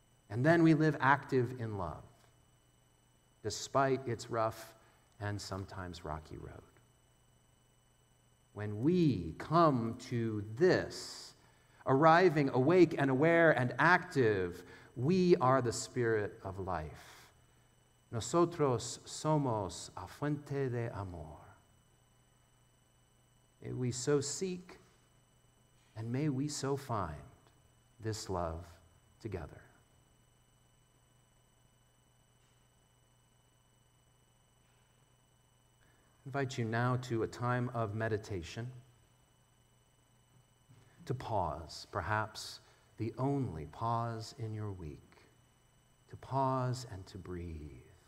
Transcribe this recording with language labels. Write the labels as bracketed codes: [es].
[en] And then we live active in love, despite its rough and sometimes rocky road. When we come to this, arriving awake and aware and active, we are the spirit of life. [es] Nosotros somos a fuente de amor. [en] May we so seek and may we so find this love together. I invite you now to a time of meditation, to pause, perhaps the only pause in your week, to pause and to breathe.